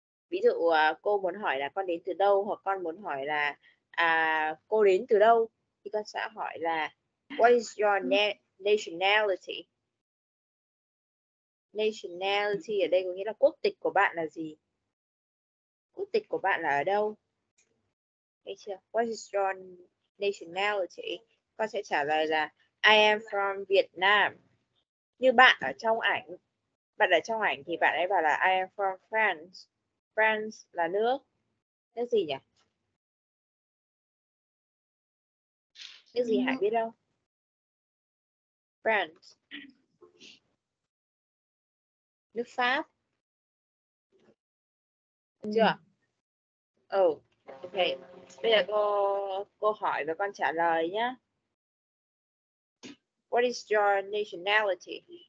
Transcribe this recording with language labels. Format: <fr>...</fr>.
<vi>Ví dụ cô muốn hỏi là con đến từ đâu, hoặc con muốn hỏi là cô đến từ đâu, thì con sẽ hỏi là</vi> <en>what is your nationality?</en> <vi>Nationality ở đây có nghĩa là quốc tịch của bạn là gì? Quốc tịch của bạn là ở đâu? Thấy chưa?</vi> <en>What is your nationality?</en> <vi>Con sẽ trả lời là</vi> <en>I am from Vietnam.</en> <vi>Như bạn ở trong ảnh, bạn ở trong ảnh thì bạn ấy bảo là</vi> <en>I am from France.</en> <vi>France là nước. Nước gì nhỉ? Nước gì Hải biết đâu? France. Nước Pháp. Chưa? Oh, ok. Bây giờ cô hỏi và con trả lời nhé.</vi> <en>What is your nationality?</en>